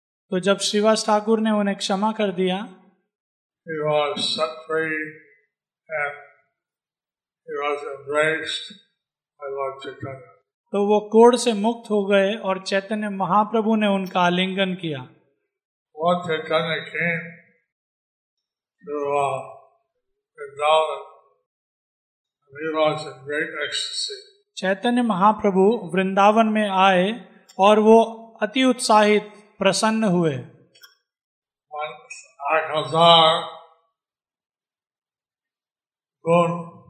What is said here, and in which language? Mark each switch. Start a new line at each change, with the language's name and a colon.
Hindi: तो जब श्रीवास ठाकुर ने उन्हें क्षमा कर दिया,
English: he was set free and he was embraced by Lord Chaitanya.
Hindi: तो वो कोड़ से मुक्त हो गए और चैतन्य महाप्रभु ने उनका आलिंगन किया.
English: Lord Chaitanya came to Vrindavan and he was in great ecstasy.
Hindi: Chaitanya Mahaprabhu Vrindavan में आए और वो अति उत्साहित प्रसन्न हुए. 1,000 गुण